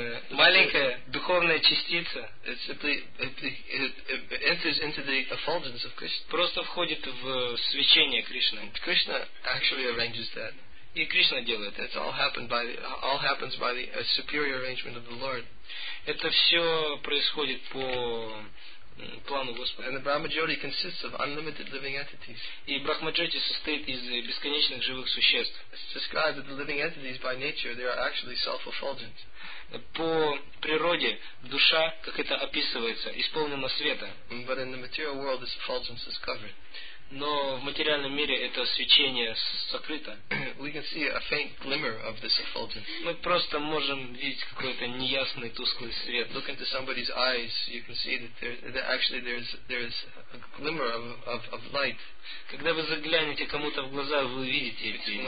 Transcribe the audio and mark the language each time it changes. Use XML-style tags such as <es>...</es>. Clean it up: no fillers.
<ru>Маленькая духовная частица.</ru> <en>It simply it enters into the effulgence of Krishna.</en> <ru>Просто входит в свечение Кришны.</ru> <en>Krishna actually arranges that.</en> <ru>И Кришна делает.</ru> <en>It all happens by the superior arrangement of the Lord.</en> <ru>Это все происходит по плану Господа.</ru> <en>And the Brahmajyoti consists of unlimited living entities.</en> <ru>И Брахмаджоти состоит из бесконечных живых существ.</ru> <en>It's described that the living entities by nature they are actually self-effulgent.</en> <ru>По природе душа, как это описывается, исполнена света.</ru> <en>But in the material world this effulgence is covered.</en> <ru>Но в материальном мире это свечение сокрыто.</ru> <en>We can see a faint glimmer of this effulgence.</en> <ru>Мы просто можем видеть какой-то неясный тусклый свет.</ru> <en>Look into somebody's eyes, you can see that there's a glimmer of light.</en> <ru>Когда вы заглянете кому-то в глаза, вы видите</ru>